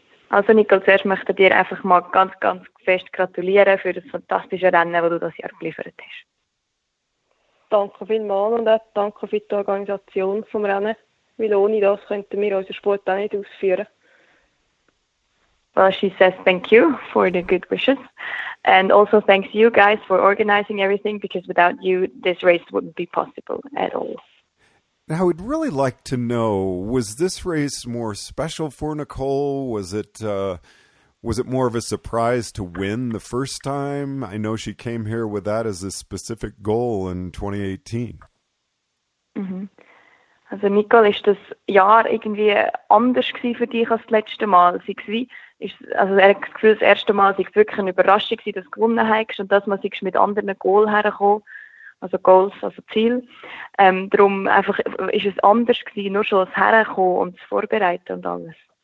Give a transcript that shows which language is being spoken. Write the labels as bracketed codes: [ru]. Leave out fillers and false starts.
[de] Also, Nicole, zuerst möchte ich dir einfach mal ganz, ganz fest gratulieren für das fantastische Rennen, das du das Jahr geliefert hast. Danke vielmals und auch danke für die Organisation vom Rennen, weil ohne das könnten wir unseren Sport auch nicht ausführen. [en] Well, she says thank you for the good wishes. And also thanks you guys for organizing everything, because without you, this race wouldn't be possible at all. Now, I would really like to know, was this race more special for Nicole? Was it more of a surprise to win the first time? I know she came here with that as a specific goal in 2018. Mm-hmm. [de] Also, Nicole, ist das Jahr irgendwie anders gewesen für dich als das letzte Mal? Also er hat das Gefühl, das erste Mal sei es wirklich eine Überraschung gewesen, dass du gewonnen hast, und das Mal sei es mit anderen Goals hergekommen, also Goals, also Ziel. Darum einfach ist es anders gewesen, nur schon das Herkommen und das Vorbereiten und alles.